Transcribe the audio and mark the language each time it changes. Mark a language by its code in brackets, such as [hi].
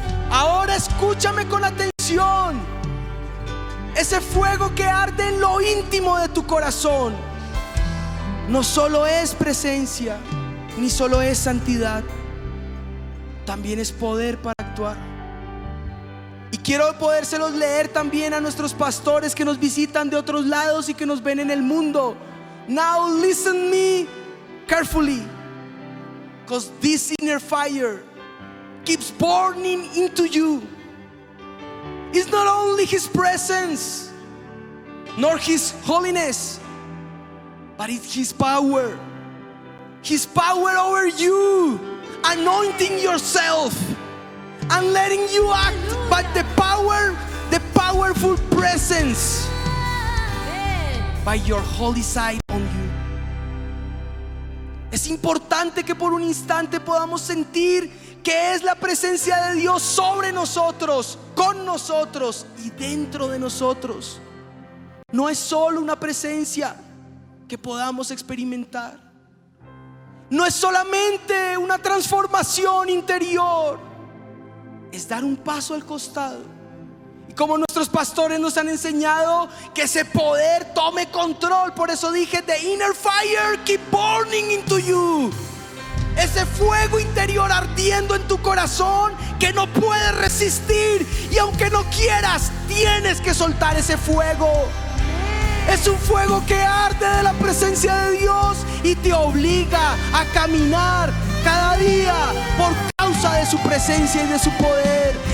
[es] Ahora escúchame con atención. Ese fuego que arde en lo íntimo de tu corazón no solo es presencia, ni solo es santidad, también es poder para actuar. Y quiero podérselos leer también a nuestros pastores que nos visitan de otros lados y que nos ven en el mundo. [en] Now listen me carefully, because this inner fire keeps burning into you. It's not only His presence, nor His holiness, but it's His power. His power over you, anointing yourself and letting you act by the powerful presence by your holy side on you. [es] Es importante que por un instante podamos sentir que es la presencia de Dios sobre nosotros, con nosotros y dentro de nosotros. No es solo una presencia que podamos experimentar. No es solamente una transformación interior. Es dar un paso al costado. Y como nuestros pastores nos han enseñado, que ese poder tome control. Por eso dije: [en] the inner fire keep burning into you. [es] Ese fuego interior ardiendo en tu corazón que no puedes resistir. Y aunque no quieras, tienes que soltar ese fuego. Es un fuego que arde de la presencia de Dios y te obliga a caminar cada día por causa de su presencia y de su poder.